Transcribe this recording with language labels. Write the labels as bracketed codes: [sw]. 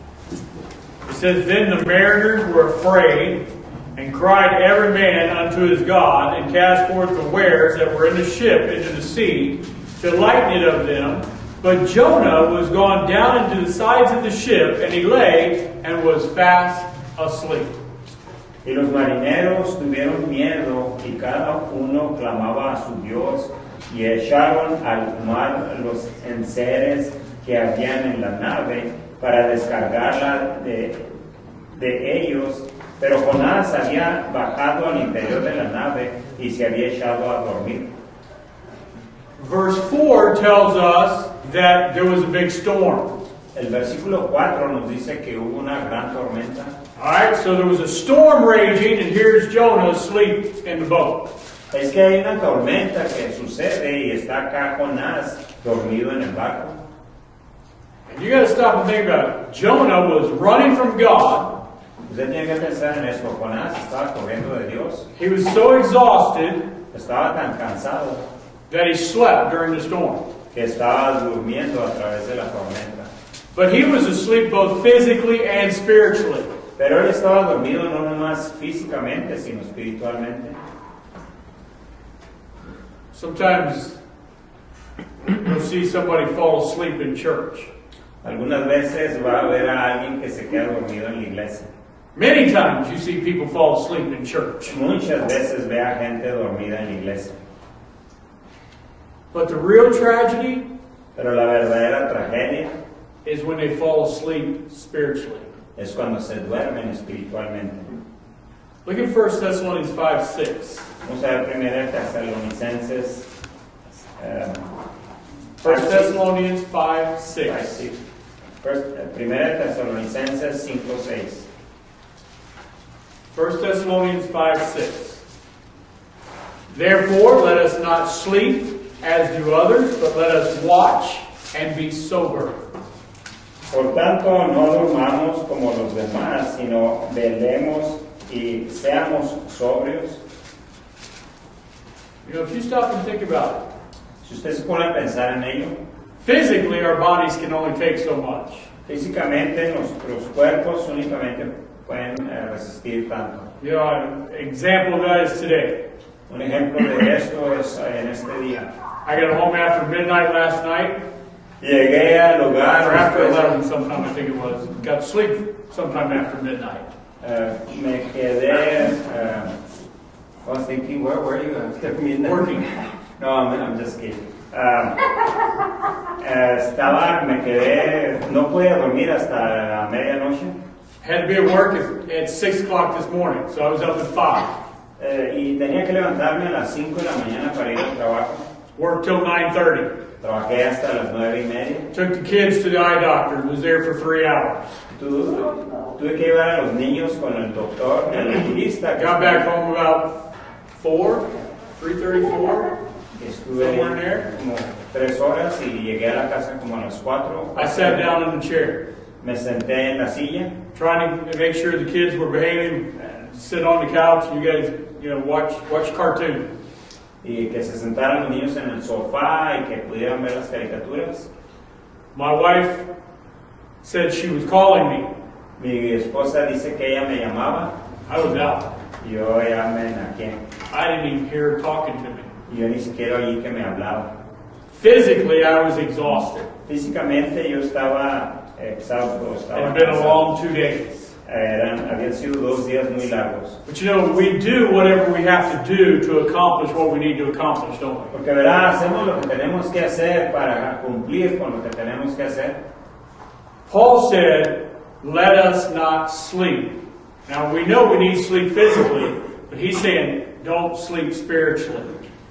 [en] It says, then the mariners were afraid, and cried every man unto his God, and cast forth the wares that were in the ship into the sea, to lighten it of them. But Jonah was gone down into the sides of the ship, and he lay and was fast asleep. [es] Y los marineros tuvieron miedo, y cada uno clamaba a su Dios, y echaron al mar los enseres que habían en la nave, para descargarla de ellos. Pero Jonás había bajado al interior de la nave y se había echado a dormir. [en] Verse 4 tells us that there was a big storm. [es] El versículo 4 nos dice que hubo una gran tormenta. [en] Alright, so there was a storm raging, and here's Jonah asleep in the boat. [es] Es que hay una tormenta que sucede y está acá Jonás dormido en el barco. [en] And you got to stop and think about it. Jonah was running from God. [es] Usted tiene que pensar en esto. Jonás estaba corriendo de Dios. [en] He was so exhausted. [es] Estaba tan cansado. [en] That he slept during the storm. [es] Que estaba durmiendo a través de la tormenta. [en] But he was asleep both physically and spiritually. [es] Pero él estaba dormido no nomás físicamente, sino espiritualmente. [en] Sometimes you'll see somebody fall asleep in church. [es] Algunas veces va a ver a alguien que se queda dormido en la iglesia. [en] Many times you see people fall asleep in church. [es] Muchas veces ve a gente dormida en la iglesia. [en] But the real tragedy, [es] pero la verdadera tragedia, [en] is when they fall asleep spiritually. [es] Es cuando se duermen espiritualmente. [en] Look at 1 Thessalonians 5, 6. [es] Vamos a ver primero Tesalonicenses. [en] 1 Thessalonians 5, 6. 5, 6. [es] Primera Tesalonicenses 5, 6. [en] 1 Thessalonians 5, 6. Therefore, let us not sleep as do others, but let us watch and be sober. [es] Por tanto, no dormamos como los demás, sino velemos y seamos sobrios. [en] You know, if you stop and think about it, [es] si usted se pone a pensar en ello, [en] physically, our bodies can only take so much. [es] Físicamente, nuestros cuerpos únicamente pueden resistir tanto. [en] You know, an example of that is today. [es] Un ejemplo de esto es en este día. [en] I got home after midnight last night. [es] Llegué al hogar [en] or after 11, sometime I think it was. Got sleep sometime after midnight. [es] Me quedé. [en] I was thinking, where were you after midnight? Working. No, I'm just kidding. [es] Estaba, me quedé, no podía dormir hasta medianoche. [en] Had to be at work at 6 o'clock this morning, so I was up at 5. [es] Y tenía que levantarme a las 5 de la mañana para ir al trabajo. [en] Worked till 9:30. [es] Trabajé hasta las 9 y media. [en] Took the kids to the eye doctor, was there for 3 hours. [es] Tuve que llevar a los niños con el doctor, el oculista. [en] Got back home about 4, 3:34. [es] Estuve [en] somewhere in there. [es] Como 3 horas y llegué a la casa como a las 4. [en] I sat down in the chair. [es] Me senté en la silla. [en] Trying to make sure the kids were behaving. Sit on the couch, you guys, you know, watch cartoon. [es] Y que se sentaran los niños en el sofá y que pudieran ver las caricaturas. [en] My wife said she was calling me. [es] Mi esposa dice que ella me llamaba. [en] I was out. [es] Yo ya me enaqué. [en] I didn't even hear her talking to me. [es] Yo ni siquiera oí que me hablaba. [en] Physically, I was exhausted. [es] Físicamente, yo estaba exhausto. [en] It had been a long 2 days. [es] Habían sido 2 días muy largos. [en] But you know, we do whatever we have to do to accomplish what we need to accomplish, don't we? [es] Porque verdad, hacemos lo que tenemos que hacer para cumplir con lo que tenemos que hacer. [en] Paul said, let us not sleep. Now we know we need sleep physically, but he's saying, don't sleep spiritually.